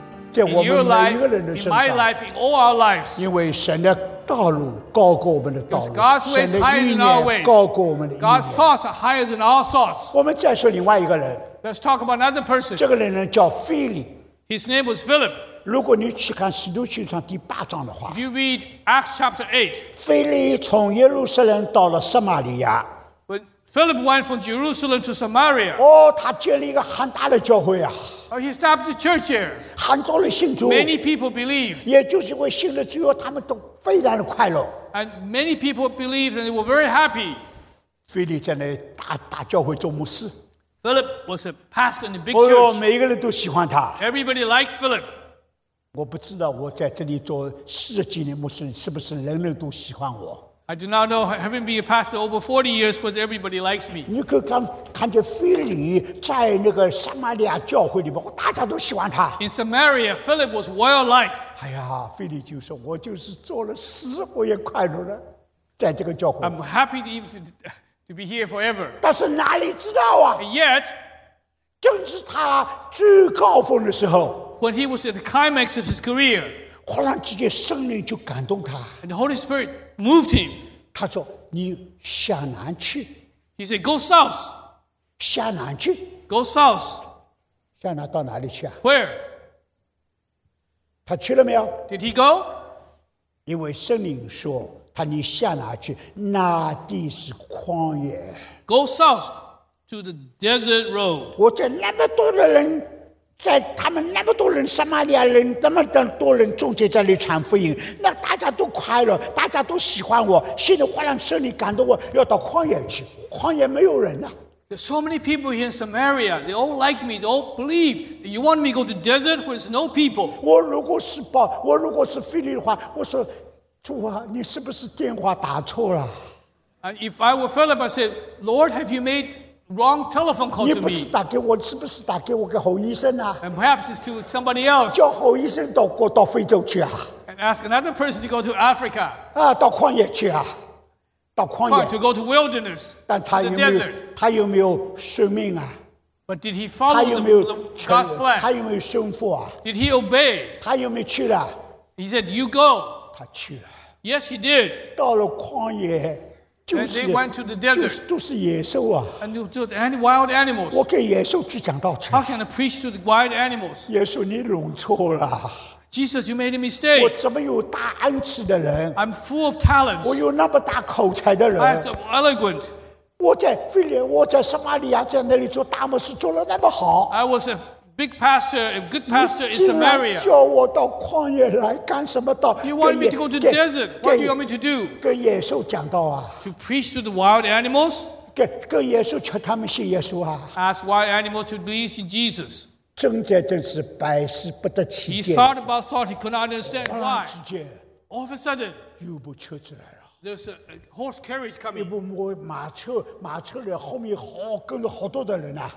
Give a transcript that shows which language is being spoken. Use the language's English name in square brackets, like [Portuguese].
[Chinese] 在我们每一个人的身上，因为神的道路高过我们的道路，神的意念高过我们的意念。我们再说另外一个人，这个人叫腓力。 [English] His name was Philip. [Chinese] 如果你去看《使徒行传》第八章的话 [English] ，If you read Acts chapter 8, [Chinese] 腓力从耶路撒冷到了撒玛利亚。 [English] But Philip went from Jerusalem to Samaria. [Chinese] 哦，他建立一个很大的教会啊。 [English] Oh, he established a church there. [Chinese] 很多人信主。 [English] Many people believe. [Chinese] 也就是因为信了之后，他们都非常的快乐。 [English] And many people believed, and they were very happy. [Chinese] 腓力在那大教会做牧师。 [English] Philip was a pastor in the big church. [Chinese] 每一个人都喜欢他。 [English] Everybody liked Philip. [Chinese] 我不知道我在这里做四十几年牧师，是不是人人都喜欢我 [English] ？I do not know. Having been a pastor over 40 years, was everybody likes me? [Chinese] 你可看见腓力在那个撒玛利亚教会里面，大家都喜欢他。 [English] In Samaria, Philip was well liked. [Chinese] 哎呀，腓力就说：“我就是做了死，我也快乐了，在这个教会。 [English] ”I'm happy to even. To be here forever. [Chinese] 但是哪里知道啊？ [English] And yet, [Chinese] 正是他最高峰的时候， [English] when he was at the climax of his career, [Chinese] 忽然之间圣灵就感动他， [English] and the Holy Spirit moved him. [Chinese] 他说：“你向南去。” [English] He said, "Go south." [Chinese] 向南去。 [English] Go south. [Chinese] 向南到哪里去啊？ [English] Where? [Chinese] 他去了没有？ [English] Did he go? [Chinese] 因为圣灵说。你向哪去？那地是旷野。 [English] Go south to the desert road. [Chinese] 我在那么多的人，在他们那么多人，撒玛利亚人那么多人中间在那里传福音，那大家都快乐，大家都喜欢我，心里忽然圣灵感动我，要到旷野去。旷野没有人呐。 [English] There's so many people here in Samaria. They all like me. They all believe. You want me to go to desert where there's no people? [Chinese] 我如果是腓力的话，我说。主啊，你是不是电话打错了？ [English] If I were Philip, I said, Lord, have you made wrong telephone call to me? [Chinese] 你不是打给我，是不是打给我给侯医生啊？ [English] And perhaps it's to somebody else. [Chinese] 叫侯医生到非洲去啊？ [English] And ask another person to go to Africa. [Chinese] 啊，到旷野去啊？到旷野。 [English] To go to wilderness. [Chinese] 但他有没有？ [English] The desert. [Chinese] 他有没有顺命啊？ [English] But did he follow the God's plan? [Chinese] 他有没有顺服啊？ [English] Did he obey? [Chinese] 他有没有去了？ [English] He said, "You go." [Chinese] 他去了。 [English] Yes, he did. [Chinese] 到了旷野，就是 [English] they went to the desert, [Chinese] 就是野兽啊。 [English] And just any wild animals. [Chinese] 我给野兽去讲道去。 [English] How can I preach to the wild animals? [Chinese] 耶稣，你弄错了。 [English] Jesus, you made a mistake. [Chinese] 我怎么有大恩赐的人 [English] ？I'm full of talents. [Chinese] 我有那么大口才的人 [English] ？I am so eloquent. [Chinese] 我在腓力，我在撒玛利亚，在那里做大牧师，做了那么好。 [English] I was a big pastor, a good pastor in Samaria. [Chinese] 你竟然叫我到旷野来干什么道？ [English] You want me to go to the desert? What do you want me to do? [Chinese] 跟野兽讲道啊？ [English] To preach to the wild animals? [Chinese] 跟野兽求他们信耶稣啊？ [English] Ask wild animals to believe in Jesus. [Chinese] 真是百思不得其解。 [English] He thought about thought, he could not understand why. [Chinese] 忽然之间， [English] all of a sudden, [Chinese] 有部车子来了。 [English] There's a horse carriage coming. [Chinese] 一部马车里后面好跟着好多的人呐、啊。